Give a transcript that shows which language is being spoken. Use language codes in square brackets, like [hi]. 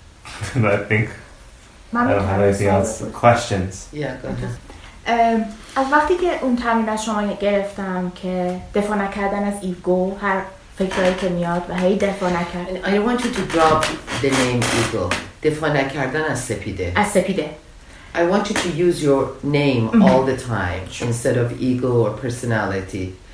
[en] I think Mami, I don't have anything else. Questions? Yeah, go ahead. [fa] از وقتی که اون تمرین از شما گرفتم که دفاع نکردن از ایگو هر فکری که میاد و هی دفاع نکردن. [en] I want you to drop the name ego. [fa] دفاع نکردن از سپیده. از سپیده. [en] I want you to use your name all the time instead of ego or personality.